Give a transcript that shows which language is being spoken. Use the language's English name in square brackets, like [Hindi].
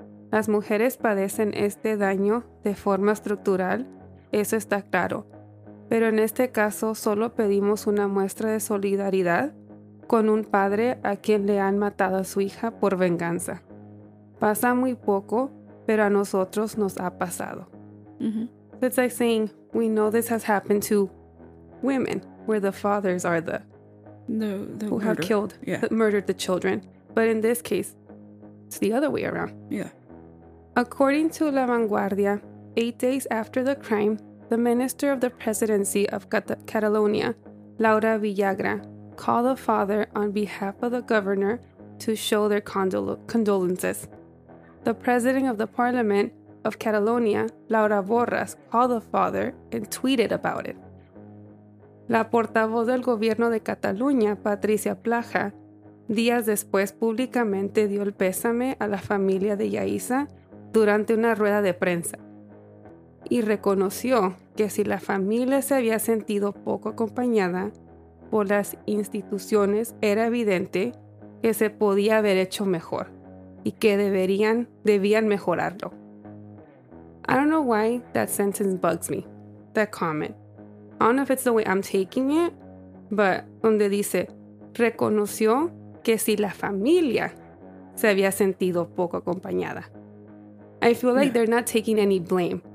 [Spanish] Las mujeres padecen este daño de forma estructural, eso está claro. Pero en este caso solo pedimos una muestra de solidaridad con un padre a quien le han matado a su hija por venganza. Pasa muy poco, pero a nosotros nos ha pasado. Mm-hmm. [English] It's like saying, we know this has happened to women, where the fathers are the who have killed, murdered the children. But in this case, it's the other way around. Yeah. According to La Vanguardia, 8 days after the crime, the minister of the presidency of Catalonia, Laura Villagra, called the father on behalf of the governor to show their condolences. The president of the parliament of Catalonia, Laura Borras, called the father and tweeted about it. [Spanish] La portavoz del gobierno de Cataluña, Patricia Plaja, días después públicamente dio el pésame a la familia de Yaiza durante una rueda de prensa. y reconoció que si la familia se había sentido poco acompañada por las instituciones, era evidente que se podía haber hecho mejor y que debían mejorarlo. [English] I don't know why that sentence bugs me, that comment. I don't know if it's the way I'm taking it, but [Spanish] donde dice, reconoció que si la familia se había sentido poco acompañada. [English] I feel like they're not taking any blame.